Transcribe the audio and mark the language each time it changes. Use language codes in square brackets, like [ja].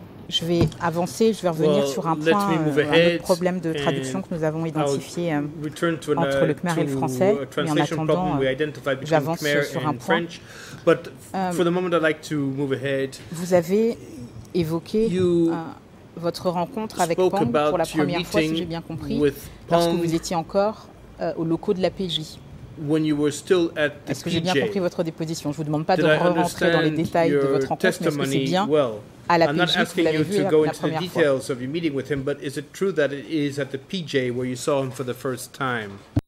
[fr] Je vais avancer, je vais revenir sur un point, un problème de traduction que nous avons identifié entre le Khmer et le français. Mais en attendant, j'avance sur un point. [en] But for the moment, I'd like to move ahead. [fr] Vous avez évoqué votre rencontre avec Pang pour la première fois, si j'ai bien compris, lorsque vous étiez encore aux locaux de l'APJ. [en] When you were still at the [fr] est-ce que j'ai bien compris votre déposition? Je ne vous demande pas de re-rentrer dans les détails de votre rencontre, mais est-ce que c'est bien à la PJ que vous l'avez vu la première fois? [en] Your meeting with him, but is it true that it is at the PJ where you saw him for the first time?